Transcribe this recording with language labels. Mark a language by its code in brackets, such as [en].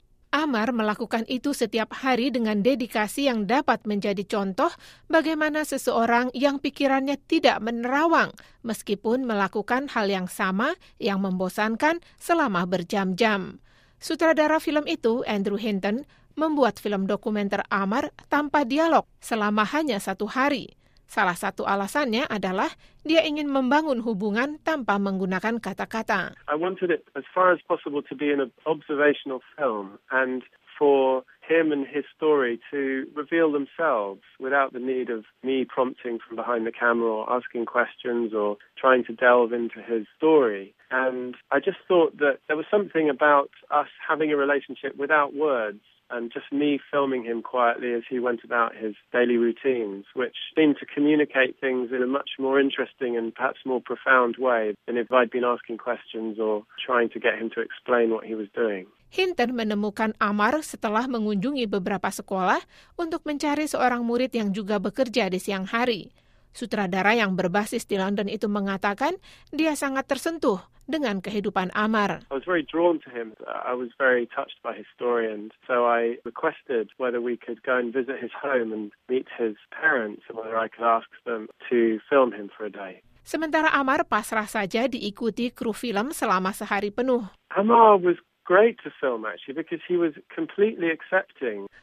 [id] Amar melakukan itu setiap hari dengan dedikasi yang dapat menjadi contoh bagaimana seseorang yang pikirannya tidak menerawang meskipun melakukan hal yang sama yang membosankan selama berjam-jam. Sutradara film itu, Andrew Hinton, membuat film dokumenter Amar tanpa dialog selama hanya satu hari. Salah satu alasannya adalah dia ingin membangun hubungan tanpa menggunakan kata-kata. [en] I wanted it as far as possible to be an observational film and for him and his story to reveal themselves without the need of me prompting from behind the camera or asking questions or trying to delve into his story. And I just thought that there was something about us having a relationship without words. And just me filming him quietly as he went about his daily routines, which seemed to communicate things in a much more interesting and perhaps more profound way than if I'd been asking questions or trying to get him to explain what he was doing. [id] Hinton menemukan Amar setelah mengunjungi beberapa sekolah untuk mencari seorang murid yang juga bekerja di siang hari. Sutradara yang berbasis di London itu mengatakan dia sangat tersentuh dengan kehidupan Amar. [en] I was very drawn to him. I was very touched by his story, and so I requested whether we could go and visit his home and meet his parents, and whether I could ask them to film him for a day. [id] Sementara Amar pasrah saja diikuti kru film selama sehari penuh. [en] Amar was great to film actually because he was completely accepting.